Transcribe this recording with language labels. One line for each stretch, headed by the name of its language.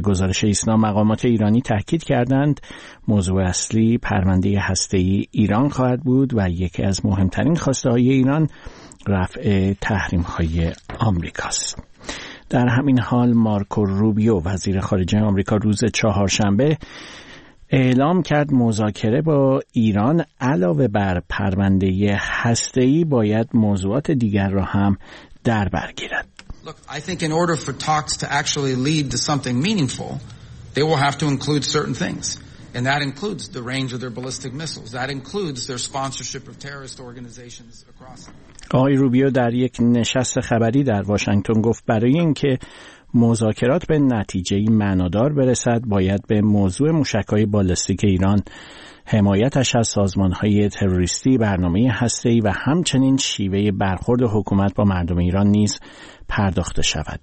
Persian: به گزارش ایسنا مقامات ایرانی تاکید کردند موضوع اصلی پرونده هسته‌ای ایران خواهد بود و یکی از مهمترین خواسته های ایران رفع تحریم های آمریکاست. در همین حال مارکو روبیو وزیر خارجه آمریکا روز چهارشنبه اعلام کرد مذاکره با ایران علاوه بر پرونده هسته‌ای باید موضوعات دیگر را هم در بر گیرد.
English: I think in order for talks to actually lead to something meaningful, they will have to include certain things. And that includes the range of their ballistic missiles. That includes their sponsorship of terrorist organizations across.
Persian: آقای روبیو در یک نشست خبری در واشنگتن گفت برای اینکه مذاکرات به نتیجه‌ای معنادار برسد، باید به موضوع موشک‌های بالستیک ایران، حمایتش از سازمان‌های تروریستی، برنامه هسته‌ای و همچنین شیوه برخورد حکومت با مردم ایران نیز پرداخته شود.